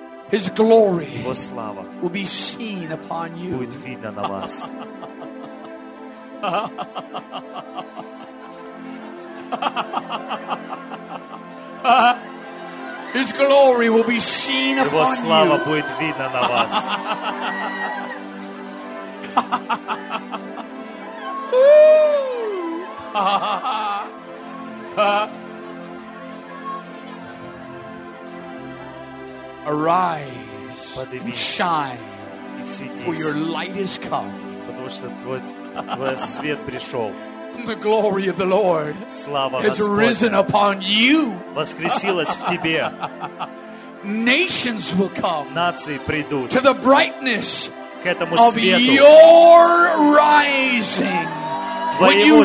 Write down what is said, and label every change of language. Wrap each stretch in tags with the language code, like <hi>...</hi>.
<en>His glory.</en> <ru>Его слава.</ru> <en>Will be seen upon you.</en> <ru>Будет видно на вас.</ru> <en>His glory will be seen upon you.</en> <ru>Его слава будет видна на вас.</ru> <en>Arise,</en> <ru>поднимись,</ru> <en>shine,</en> <ru>и светись,</ru> <en>for your light has come.</en> <ru>Потому что твой свет пришел.</ru> <en>the glory of the Lord has risen upon you.</en> <ru>Воскресилась в тебе.</ru> <en>Nations will come.</en> <ru>Нации придут.</ru> <en>To the brightness</en> <ru>к этому</ru> <en>of</en> <ru>свету.</ru> <en>Your rising.</en> <ru>Твоему</ru> <en>when you</en>